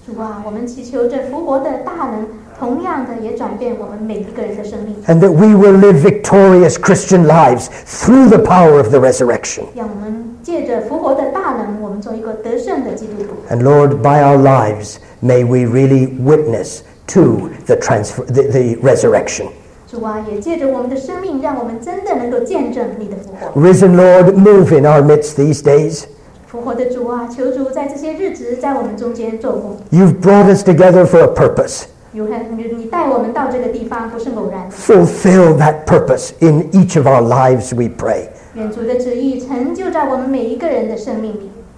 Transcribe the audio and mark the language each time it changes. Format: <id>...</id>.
<zh>主啊，我们祈求这复活的大能同样的也转变我们每一个人的生命。</zh> <en>And that we will live victorious Christian lives through the power of the resurrection.</en> <zh>让我们借着复活的大能，我们做一个得胜的基督徒。</zh> <en>And Lord, by our lives, may we really witness to the resurrection.</en> <zh>主啊，也借着我们的生命，让我们真的能够见证你的复活。</zh> <en>Risen Lord, move in our midst these days.</en> <zh>复活的主啊，求主在这些日子在我们中间做工。</zh> <en>You've brought us together for a purpose.</en> <zh>你带我们到这个地方不是偶然。</zh> <en>Fulfill that purpose in each of our lives, we pray.</en> <zh>愿主的旨意成就在我们每一个人的生命里。</zh>